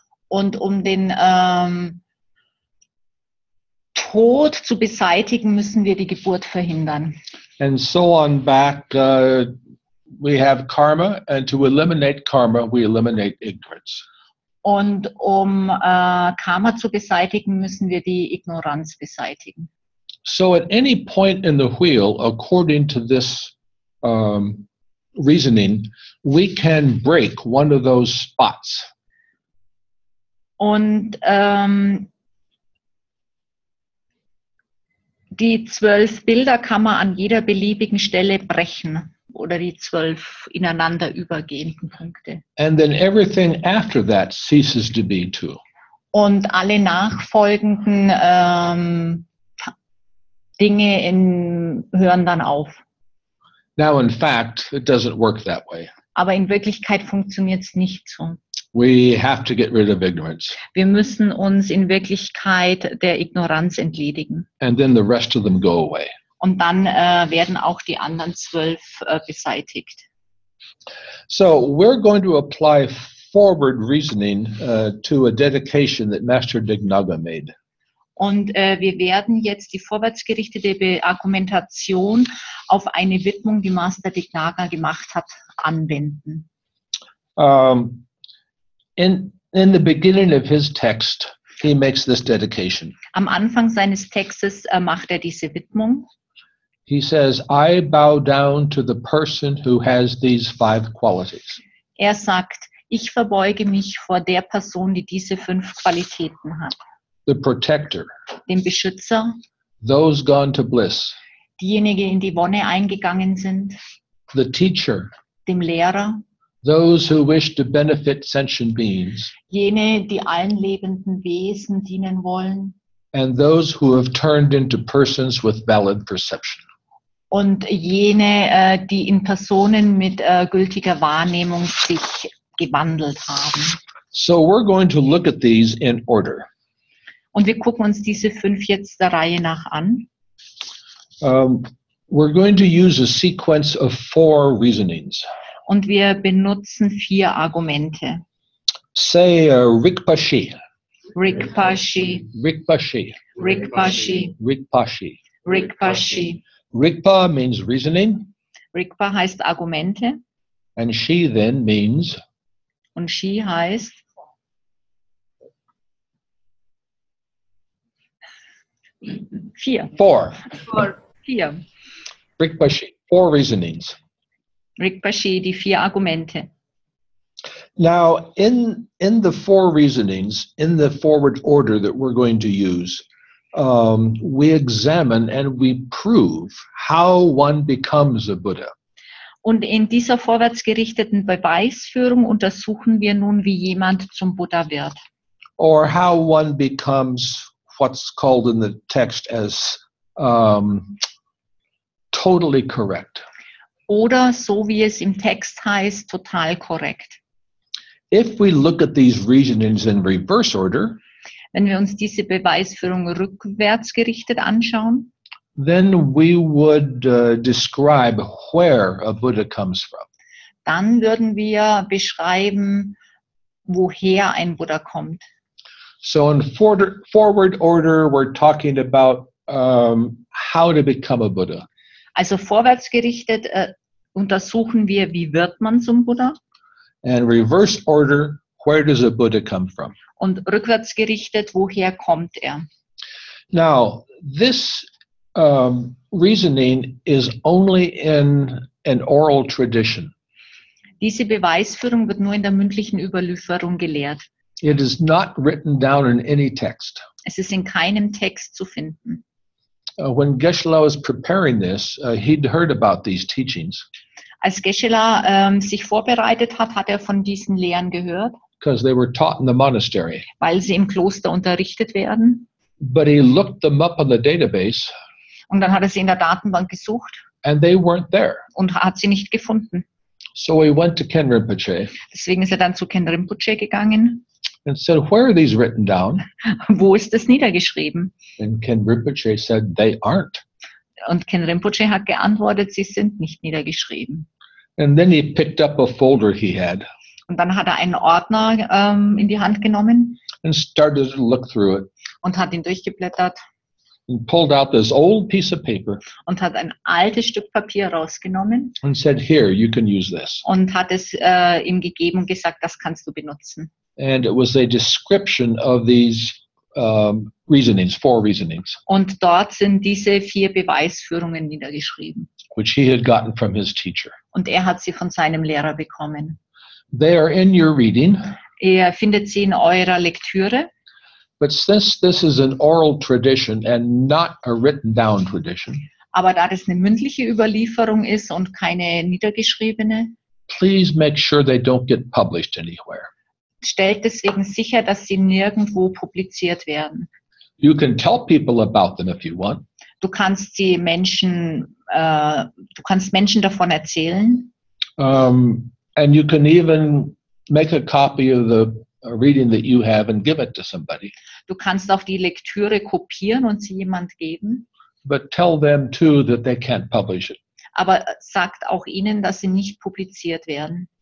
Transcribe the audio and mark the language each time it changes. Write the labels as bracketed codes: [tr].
[de] Und um den Tod zu beseitigen, müssen wir die Geburt verhindern. [en] And so on back, we have karma, and to eliminate karma, we eliminate ignorance. [de] Und um Karma zu beseitigen, müssen wir die Ignoranz beseitigen. [en] So at any point in the wheel, according to this reasoning, we can break one of those spots. [de] Und die 12 Bilder kann man an jeder beliebigen Stelle brechen. Oder die 12 ineinander übergehenden Punkte. [en] And then everything after that ceases to be too. [de] Und alle nachfolgenden Dinge hören dann auf. [en] Now in fact, it doesn't work that way. [de] Aber in Wirklichkeit funktioniert es nicht so. [en] We have to get rid of ignorance. [de] Wir müssen uns in Wirklichkeit der Ignoranz entledigen. [en] And then the rest of them go away. [de] Und dann werden auch die anderen 12 beseitigt. [en] So, we're going to apply forward reasoning to a dedication that Master Dignaga made. [de] Und wir werden jetzt die vorwärtsgerichtete Argumentation auf eine Widmung, die Master Dignaga gemacht hat, anwenden. [en] In the beginning of his text, he makes this dedication. [de] Am Anfang seines Textes macht er diese Widmung. [en] He says, I bow down to the person who has these 5 qualities. [de] Er sagt, ich verbeuge mich vor der Person, die diese 5 Qualitäten hat. [en] The protector. [de] Den Beschützer. [en] Those gone to bliss. [de] Diejenigen, in die Wonne eingegangen sind. [en] The teacher. [de] Dem Lehrer. [en] Those who wish to benefit sentient beings. [de] Jene, die allen lebenden Wesen dienen wollen. [en] And those who have turned into persons with valid perception. [de] Und jene, die in Personen mit gültiger Wahrnehmung sich gewandelt haben. [en] So we're going to look at these in order. [de] Und wir gucken uns diese fünf jetzt der Reihe nach an. [en] We're going to use a sequence of four reasonings. [de] Und wir benutzen vier Argumente. [en] Say Rikpashi. [bo] Rikpashi. Rikpashi. Rikpashi. Rikpashi. Rikpashi. [en] Rikpa means reasoning. [de] Rikpa heißt Argumente. [en] And she then means. [de] Und she heißt. Vier. [en] Four. Four. Vier. Rikpashi. Four reasonings. [de] Rikpashi, die vier Argumente. [en] Now, in the four reasonings, in the forward order that we're going to use, we examine and we prove how one becomes a Buddha. [de] Und in dieser vorwärtsgerichteten Beweisführung untersuchen wir nun, wie jemand zum Buddha wird. [en] Or how one becomes what's called in the text as totally correct. [de] Oder so, wie es im Text heißt, total korrekt. [en] If we look at these reasonings in reverse order, [de] wenn wir uns diese Beweisführung rückwärts gerichtet anschauen, [en] then we would describe where a Buddha comes from. [de] Dann würden wir beschreiben, woher ein Buddha kommt. [en] So in forward order, we're talking about how to become a Buddha. [de] Also vorwärts gerichtet untersuchen wir, wie wird man zum Buddha? [en] And reverse order, where does a Buddha come from? [de] Und rückwärts gerichtet, woher kommt er? [en] Now, this reasoning is only in an oral tradition. [de] Diese Beweisführung wird nur in der mündlichen Überlieferung gelehrt. [en] It is not written down in any text. [de] Es ist in keinem Text zu finden. [en] When Geshe-la was preparing this, he'd heard about these teachings. [de] Als Geshe-la sich vorbereitet hat, hat er von diesen Lehren gehört. [en] Because they were taught in the monastery. [de] Weil sie im Kloster unterrichtet werden. [en] But he looked them up on the database. [de] Und dann hat er sie in der Datenbank gesucht. [en] And they weren't there. [de] Und hat sie nicht gefunden. [en] So he went to Ken Rinpoche. [de] Deswegen ist er dann zu Ken Rinpoche gegangen. [en] And said, where are these written down? [de] Wo ist das niedergeschrieben? [en] And Ken Rinpoche said, they aren't. [de] Und Ken Rinpoche hat geantwortet, sie sind nicht niedergeschrieben. [en] And then he picked up a folder he had. [de] Und dann hat er einen Ordner in die Hand genommen. [en] And started to look through it. [de] Und hat ihn durchgeblättert. [en] And pulled out this old piece of paper. [de] Und hat ein altes Stück Papier rausgenommen. [en] And said, here, you can use this. [de] Und hat es ihm gegeben und gesagt, das kannst du benutzen. [en] And it was a description of these reasonings, four reasonings. [de] Und dort sind diese vier Beweisführungen niedergeschrieben. [en] Which he had gotten from his teacher. [de] Und er hat sie von seinem Lehrer bekommen. [en] They are in your reading. [de] Ihr findet sie in eurer Lektüre. [en] But since this is an oral tradition and not a written down tradition. [de] Aber da das eine mündliche Überlieferung ist und keine niedergeschriebene. [en] Please make sure they don't get published anywhere. [de] Stellt deswegen sicher, dass sie nirgendwo publiziert werden. [en] You can tell people about them if you want. [de] Du kannst Menschen davon erzählen. [en] And you can even make a copy of the reading that you have and give it to somebody. [de] Du kannst auch die Lektüre kopieren und sie jemand geben. [en] But tell them too that they can't publish it. [de] Aber sagt auch ihnen, dass sie nicht publiziert werden.